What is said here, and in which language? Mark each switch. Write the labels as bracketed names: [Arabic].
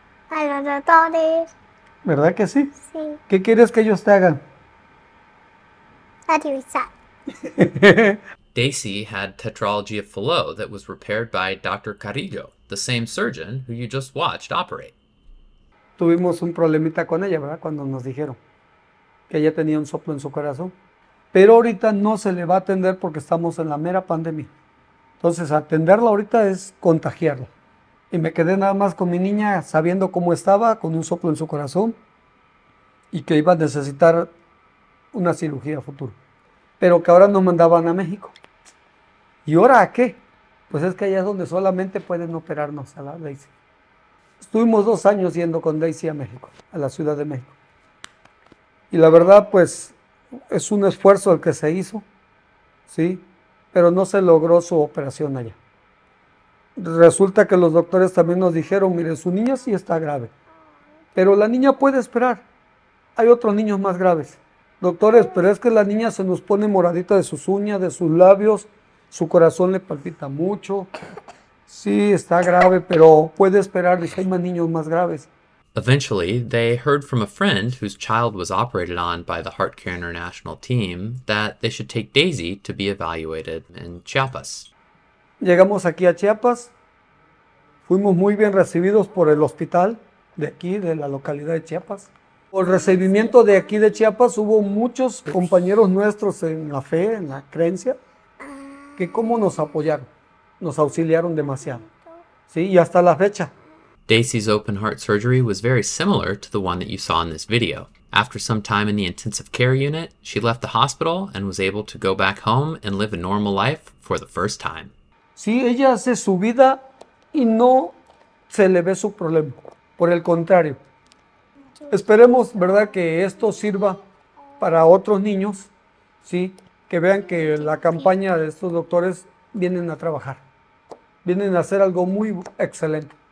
[Spanish] A los doctores. ¿Verdad que sí? Sí. ¿Qué quieres que ellos te hagan? A revisar. [English] Daisy had tetralogy of Fallot that was repaired by Dr. Carrillo, the same surgeon who you just watched operate. [Spanish] Tuvimos un problemita con ella, ¿verdad? Cuando nos dijeron que ella tenía un soplo en su corazón. Pero ahorita no se le va a atender porque estamos en la mera pandemia. Entonces, atenderla ahorita es contagiarla. Y me quedé nada más con mi niña sabiendo cómo estaba, con un soplo en su corazón y que iba a necesitar una cirugía a futuro. Pero que ahora nos mandaban a México. ¿Y ahora a qué? Pues es que allá es donde solamente pueden operarnos a la Daisy. Estuvimos 2 años yendo con Daisy a México, a la Ciudad de México. Y la verdad, pues, es un esfuerzo el que se hizo, ¿sí? Pero no se logró su operación allá. Resulta que los doctores también nos dijeron, mire, su niña sí está grave, pero la niña puede esperar. Hay otros niños más graves. Doctores, pero es que la niña se nos pone moradita de sus uñas, de sus labios, su corazón le palpita mucho. Sí, está grave, pero puede esperar. Dije, hay más niños más graves. [English] Eventually, they heard from a friend whose child was operated on by the Heart Care International team that they should take Daisy to be evaluated in Chiapas. [Spanish] Llegamos aquí a Chiapas. Fuimos muy bien recibidos por el hospital de aquí, de la localidad de Chiapas. Por recibimiento de aquí de Chiapas, hubo muchos compañeros nuestros en la fe, en la creencia, que cómo nos apoyaron, nos auxiliaron demasiado, ¿sí? Y hasta la fecha. [English] Daisy's open heart surgery was very similar to the one that you saw in this video. After some time in the intensive care unit, she left the hospital and was able to go back home and live a normal life for the first time. [Spanish] Sí, ella hace su vida y no se le ve su problema, por el contrario. Esperemos, ¿verdad?, que esto sirva para otros niños, ¿sí?, que vean que la campaña de estos doctores vienen a trabajar, vienen a hacer algo muy excelente.